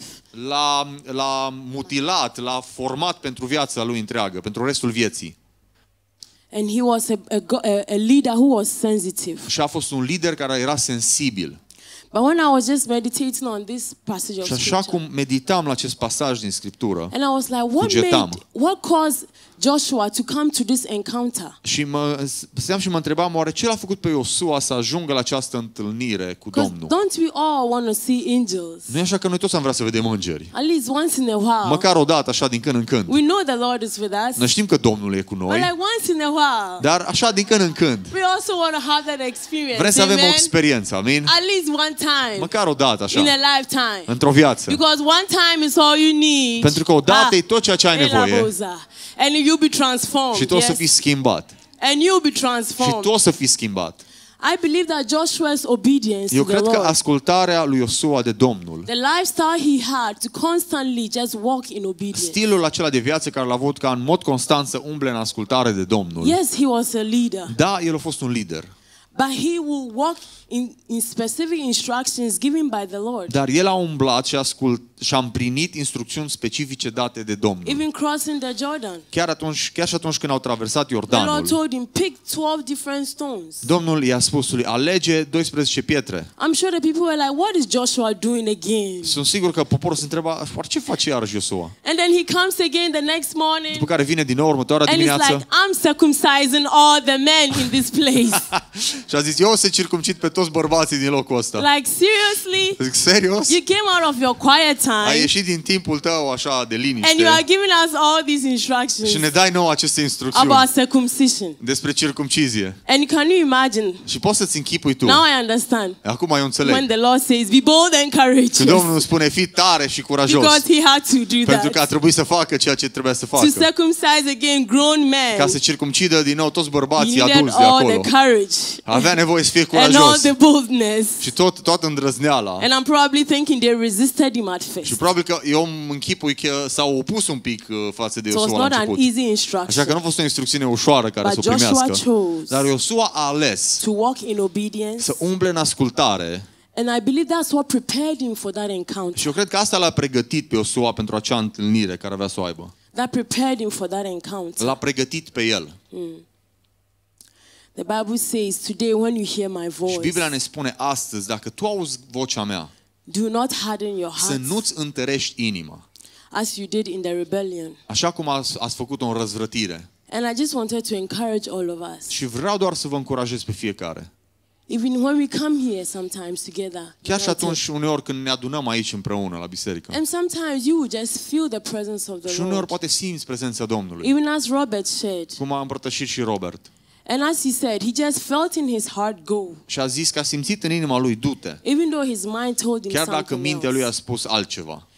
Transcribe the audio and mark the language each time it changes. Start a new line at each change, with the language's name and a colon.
Romanian: L-a mutilat, l-a format pentru viața lui întreagă, pentru restul vieții.
English: And he was a leader who was sensitive.
Romanian: Și a fost un lider care era sensibil.
English: But when I was just meditating on this passage of scripture.
Romanian: Și așa cum meditam la acest pasaj din scriptură.
English: And I was like, what caused Joshua to come to this encounter?
Romanian: Și mă întrebam, oare ce l-a făcut pe Iosua să ajungă la această întâlnire cu Domnul?
English: Don't we all want to see angels?
Romanian: Nu e așa că noi toți am vrea să vedem îngeri?
English: At least once in a while.
Romanian: Măcar o dată, așa din când în când.
English: We know the Lord is with us.
Romanian: Noi știm că Domnul e cu noi.
English: But like once in a while.
Romanian: Dar așa din când în când.
English: We also want to have that experience.
Romanian: Vrem să avem o experiență, amin?
English: At least one time.
Romanian: Măcar o dată, așa.
English: In a lifetime.
Romanian: Într-o viață.
English: Because one time is all you need.
Romanian: Pentru că o dată e tot ceea ce ai nevoie.
English: And you'll be transformed.
Romanian: Și tu o să fii schimbat.
English: And you'll be transformed.
Romanian: Și tu o să fii schimbat.
English: I believe that Joshua's obedience.
Romanian: Eu cred că ascultarea lui Iosua de Domnul.
English: The lifestyle he had to constantly just walk in obedience.
Romanian: Stilul acela de viață care l-a avut ca în mod constant să umble în ascultare de Domnul.
English: Yes, he was a leader.
Romanian: Da, el a fost un lider.
English: But he will walk in specific instructions given by the Lord.
Romanian: Dar el a umblat și a împlinit instrucțiuni specifice date de Domnul.
English: Even crossing the Jordan.
Romanian: Chiar atunci când au traversat Iordanul.
English: The Lord told him, pick 12 different stones.
Romanian: Domnul i-a spus lui, alege 12 pietre.
English: I'm sure the people were like, what is Joshua doing again?
Romanian: Sunt sigur că poporul se întreba, ce face iarăși Iosua?
English: And then he comes again the next morning.
Romanian: După care vine din nou următoarea dimineață.
English: And he's like, I'm circumcising all the men in this place.
Romanian: Și a zis: "Eu o să circumcid pe toți bărbații din locul ăsta."
English: Like seriously?
Romanian: Zic, serios?
English: You came out of your quiet time.
Romanian: Ai ieșit din timpul tău așa de liniște.
English: And you are giving us all these instructions.
Romanian: Și ne dai nouă aceste instrucțiuni.
English: About circumcision.
Romanian: Despre circumcizie.
English: And can you imagine?
Romanian: Și poți să-ți închipui tu.
English: Now I understand.
Romanian: Acum eu înțeleg.
English: When the Lord says, "Be bold and courageous."
Romanian: Când Domnul spune: "Fii tare și curajos."
English: Because he had to do that.
Romanian: Pentru că a trebuit să facă ceea ce trebuia să facă.
English: To circumcise again grown men.
Romanian: Ca să circumcidă din nou toți bărbații adulți de acolo.
English: The courage.
Romanian: Avea nevoie să fie curajos. Și toată îndrăzneala.
English: And I'm probably thinking they resisted him at first.
Romanian: Și probabil că eu mă închipui că s-au opus un pic față de Iosua la început.
English: So it's not an easy instruction.
Romanian: Așa că nu a fost o instrucțiune ușoară care să o primească. Dar Iosua a ales
English: to walk in obedience.
Romanian: Să umble în ascultare.
English: And I believe that's what prepared him for that encounter.
Romanian: Și eu cred că asta l-a pregătit pe Iosua pentru acea întâlnire care avea să o aibă.
English: That prepared him for that encounter.
Romanian: L-a pregătit pe el.
English: The Bible says today when you hear my voice.
Romanian: Și Biblia ne spune astăzi, dacă tu auzi vocea mea.
English: Do not harden your heart.
Romanian: Să nu-ți întărești inima.
English: As you did in the rebellion.
Romanian: Așa cum ați făcut o răzvrătire.
English: And I just wanted to encourage all of us.
Romanian: Și vreau doar să vă încurajez pe fiecare.
English: Even when we come here sometimes together.
Romanian: Chiar și atunci uneori când ne adunăm aici împreună la biserică.
English: And sometimes you just feel the presence of the Lord.
Romanian: Și uneori poate simți prezența Domnului.
English: Even as Robert said.
Romanian: Cum a împărtășit și Robert.
English: And as he said, he just felt in his heart go.
Romanian: Și a zis că a simțit în inima lui du-te.
English: Even though his mind told him
Romanian: chiar dacă mintea lui a spus altceva.